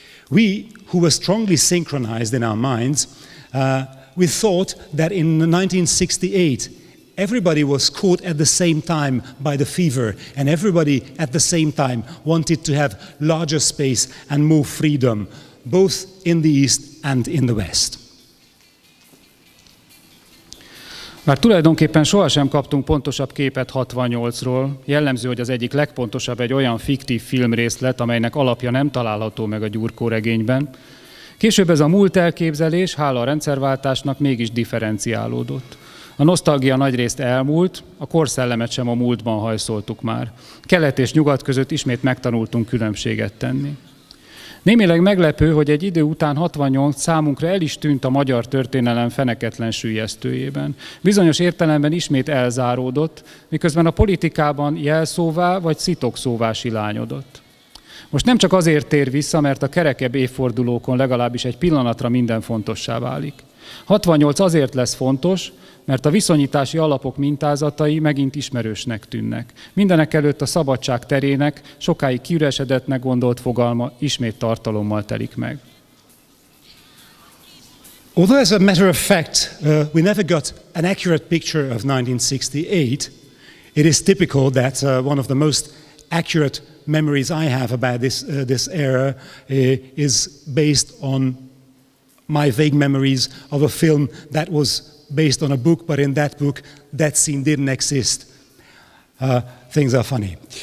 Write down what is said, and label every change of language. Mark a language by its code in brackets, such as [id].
[en] We, who were strongly synchronized in our minds, we thought that in 1968 everybody was caught at the same time by the fever, and everybody at the same time wanted to have larger space and more freedom, both in the East and in the West. [hu] Már tulajdonképpen sohasem kaptunk pontosabb képet 68-ról. Jellemző, hogy az egyik legpontosabb egy olyan fiktív filmrészlet, amelynek alapja nem található meg a Gyurko regényben. Később ez a múlt elképzelés, hála a rendszerváltásnak, mégis differenciálódott. A nosztalgia nagyrészt elmúlt, a korszellemet sem a múltban hajszoltuk már. Kelet és nyugat között ismét megtanultunk különbséget tenni. Némileg meglepő, hogy egy idő után 68 számunkra el is tűnt a magyar történelem feneketlen süllyesztőjében. Bizonyos értelemben ismét elzáródott, miközben a politikában jelszóvá vagy szitokszóvá silányodott. Most nem csak azért tér vissza, mert a kerekebb évfordulókon legalábbis egy pillanatra minden fontossá válik. 68 azért lesz fontos, mert a viszonyítási alapok mintázatai megint ismerősnek tűnnek. Mindenekelőtt a szabadság terének, sokáig kiüresedettnek gondolt fogalma ismét tartalommal telik meg. [en] Although as a matter of fact, we never got an accurate picture of 1968, it is typical that one of the most accurate memories I have about this era is based on my vague memories of a film that was based on a book, but in that scene didn't exist. Things are funny.